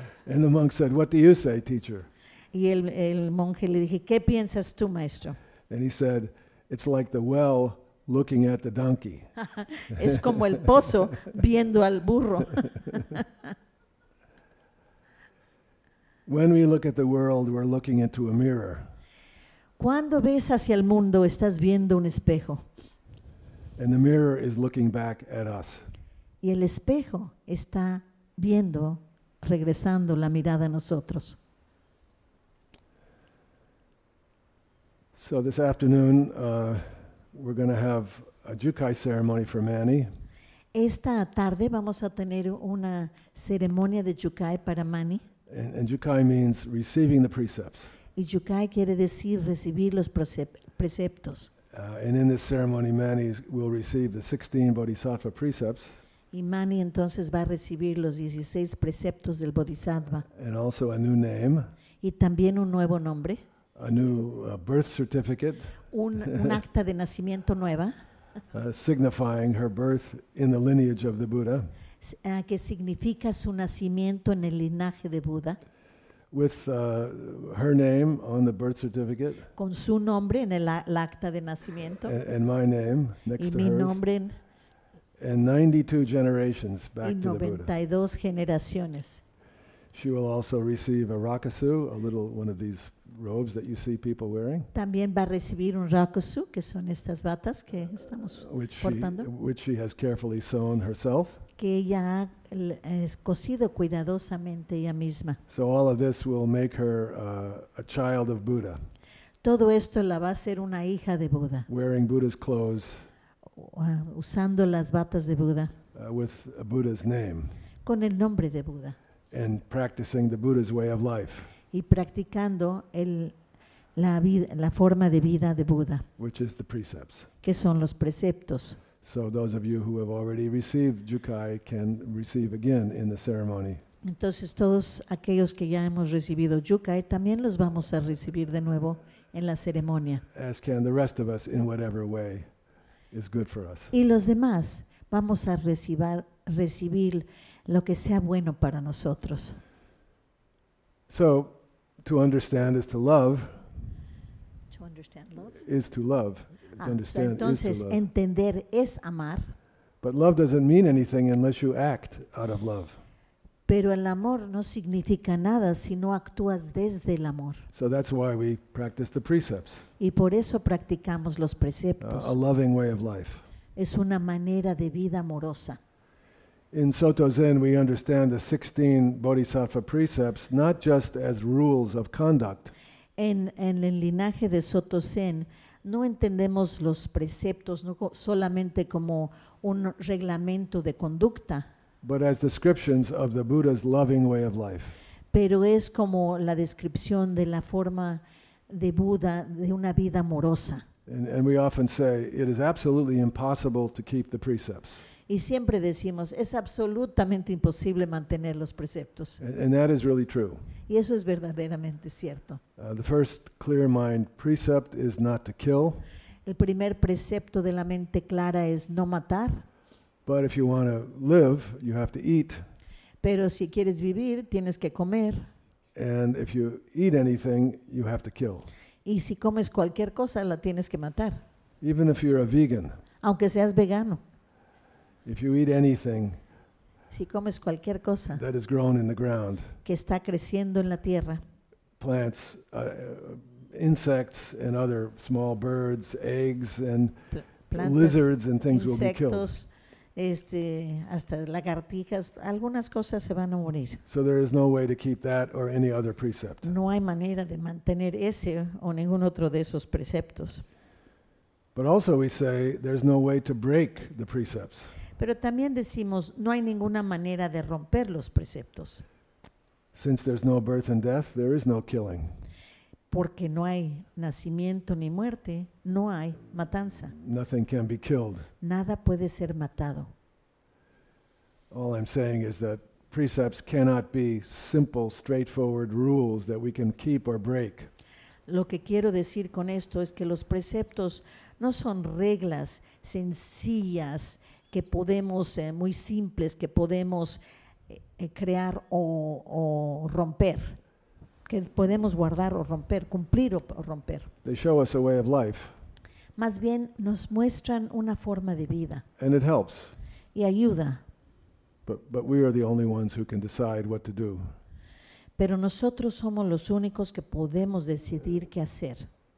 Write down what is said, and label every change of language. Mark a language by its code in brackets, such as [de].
[en] And the monk said, "What do you say, teacher?" [es] Y el monje le dije, "¿Qué piensas tú, maestro?" [en] And he said, "It's like the well looking at the donkey." [es] Es como el pozo viendo al burro. [en] When we look at the world, we're looking into a mirror. [es] Cuando ves hacia el mundo, estás viendo un espejo. [en] And the mirror is looking back at us. [es] Y el espejo está viendo, regresando la mirada a nosotros. [en] So this afternoon, we're going to have a Jukai ceremony for Manny. [es] Esta tarde vamos a tener una ceremonia de Jukai para Manny. [en] And Jukai means receiving the precepts. [es] Y Jukai quiere decir recibir los preceptos. [en] And in this ceremony, Manny will receive the 16 Bodhisattva precepts. [es] Y Manny entonces va a recibir los 16 preceptos del Bodhisattva. [en] And also a new name. [es] Y también un nuevo nombre. [en] A new birth certificate. [es] Un acta de nacimiento nueva. [en] Signifying her birth in the lineage of the Buddha. [es] Que significa su nacimiento en el linaje de Buda. [en] With her name on the birth certificate. [es] Con su nombre en el acta de nacimiento. [en] And my name next [es] y [en] to [es] mi [en] hers. [es] Nombre en [en] and 92 generations back [es] y 92 [en] to the Buddha. [es] Generaciones. [en] She will also receive a rakusu, a little one of these robes that you see people wearing. [es] También va a recibir un rakusu, que son estas batas que estamos portando. [en] Which she has carefully sewn herself. [es] Que ella ha cosido cuidadosamente ella misma. [en] So all of this will make her a child of Buddha. [es] Todo esto la va a hacer una hija de Buda. [en] Wearing Buddha's clothes. [es] Usando las batas de Buda. [en] With a Buddha's name. [es] Con el nombre de Buda. [en] And practicing the Buddha's way of life. [es] Y practicando la forma de vida de Buda. [en] Which is the precepts. [es] Que son los preceptos. [en] So those of you who have already received Jukai can receive again in the ceremony. [es] Entonces todos aquellos que ya hemos recibido Jukai también los vamos a recibir de nuevo en la ceremonia. [en] As can the rest of us in whatever way is good for us. [es] Y los demás vamos a recibir lo que sea bueno para nosotros. [en] So to understand is to love. To understand love is to love. Understand [es] entonces, [en] is to love. [es] Entender es amar. [en] But love doesn't mean anything unless you act out of love. [es] Pero el amor no significa nada si no actúas desde el amor. [en] So that's why we practice the precepts. [es] Y por eso practicamos los preceptos. [en] A loving way of life. [es] Es una manera de vida amorosa. [en] In Soto Zen, we understand the 16 Bodhisattva precepts not just as rules of conduct. [es] En el linaje de Soto Zen, no entendemos los preceptos no solamente como un reglamento de conducta, [en] but as descriptions of the Buddha's loving way of life. [es] Pero es como la descripción de la forma de Buda de una vida amorosa. [en] And we often say it is absolutely impossible to keep the precepts. [es] Y siempre decimos es absolutamente imposible mantener los preceptos. [en] And that is really true. [es] Y eso es verdaderamente cierto. [en] The first clear mind precept is not to kill. [es] El primer precepto de la mente clara es no matar. [en] But if you want to live, you have to eat. [es] Pero si quieres vivir, tienes que comer. [en] And if you eat anything, you have to kill. [es] Y si comes cualquier cosa, la tienes que matar. [en] Even if you're a vegan. [es] Aunque seas vegano. [en] If you eat anything, [es] si comes cualquier cosa [en] that is grown in the ground, [es] que está creciendo en la tierra, [en] plants, insects and other small birds, eggs and plantas, lizards and things [es] insectos, [en] will be killed. [es] Este, hasta lagartijas, algunas cosas se van a morir. [en] So there is no way to keep that or any other precept. [es] No hay manera de mantener ese o ningún otro de esos preceptos. [en] But also we say there's no way to break the precepts. [es] Pero también decimos no hay ninguna manera de romper los preceptos. [en] Since there's no birth and death, there is no killing. [es] Porque no hay nacimiento ni muerte, no hay matanza. [en] Nothing can be killed. [es] Nada puede ser matado. [en] All I'm saying is that precepts cannot be simple, straightforward rules that we can keep or break. [es] Lo que quiero decir con esto es que los preceptos no son reglas sencillas que podemos, muy simples, que podemos crear o romper. Que podemos guardar o romper, cumplir o romper. [en] They show us a way of life. [es] Más bien nos muestran una forma de vida. [en] And it helps. [es] Y ayuda. [en] But we are the only ones who can decide what to do. [es] Pero nosotros somos los únicos que podemos decidir qué hacer.